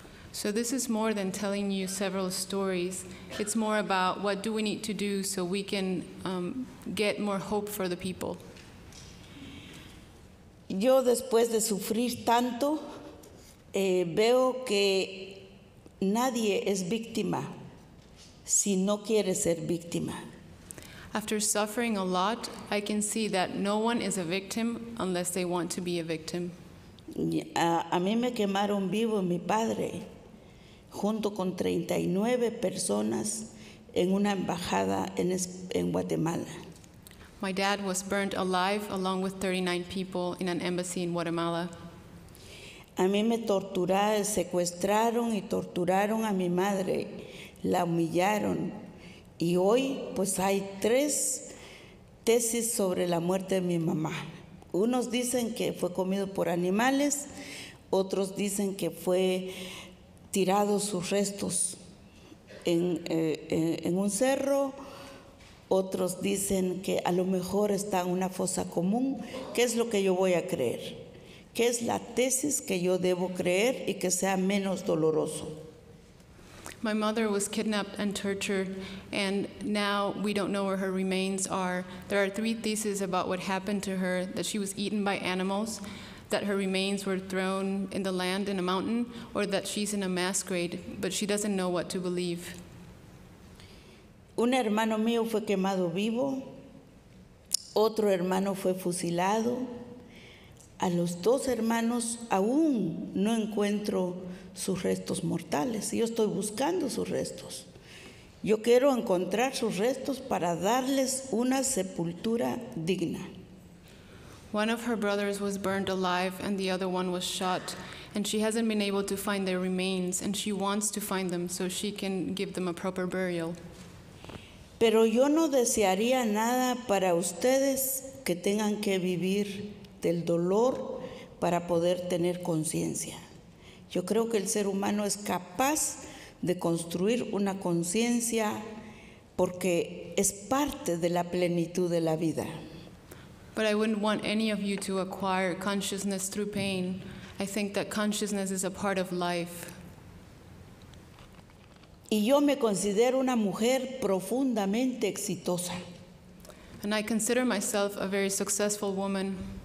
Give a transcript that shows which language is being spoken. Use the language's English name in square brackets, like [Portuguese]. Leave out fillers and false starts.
[English] So this is more than telling you several stories. It's more about what do we need to do so we can get more hope for the people. [Spanish] Yo después de sufrir tanto, veo que nadie es víctima si no quiere ser víctima. [English] After suffering a lot, I can see that no one is a victim unless they want to be a victim. [Spanish] A mí me quemaron vivo mi padre, junto con 39 personas en una embajada en Guatemala. [English] My dad was burned alive along with 39 people in an embassy in Guatemala. [Spanish] A mí me torturaron, secuestraron y torturaron a mi madre, la humillaron. Y hoy, pues hay tres tesis sobre la muerte de mi mamá. Unos dicen que fue comido por animales, otros dicen que fue tirado sus restos en un cerro, otros dicen que a lo mejor está en una fosa común. ¿Qué es lo que yo voy a creer? ¿Qué es la tesis que yo debo creer y que sea menos doloroso? [English] My mother was kidnapped and tortured, and now we don't know where her remains are. There are three theses about what happened to her, that she was eaten by animals, that her remains were thrown in the land in a mountain, or that she's in a mass grave, but she doesn't know what to believe. [Spanish] Un hermano mío fue quemado vivo. Otro hermano fue fusilado. A los dos hermanos aún no encuentro sus restos mortales. Yo estoy buscando sus restos. Yo quiero encontrar sus restos para darles una sepultura digna. [English] One of her brothers was burned alive and the other one was shot, and she hasn't been able to find their remains, and she wants to find them so she can give them a proper burial. [Spanish] Pero yo no desearía nada para ustedes que tengan que vivir del dolor para poder tener conciencia. Yo creo que el ser humano es capaz de construir una conciencia porque es parte de la plenitud de la vida. [English] But I wouldn't want any of you to acquire consciousness through pain. I think that consciousness is a part of life. [Spanish] Y yo me considero una mujer profundamente exitosa. [English] And I consider myself a very successful woman.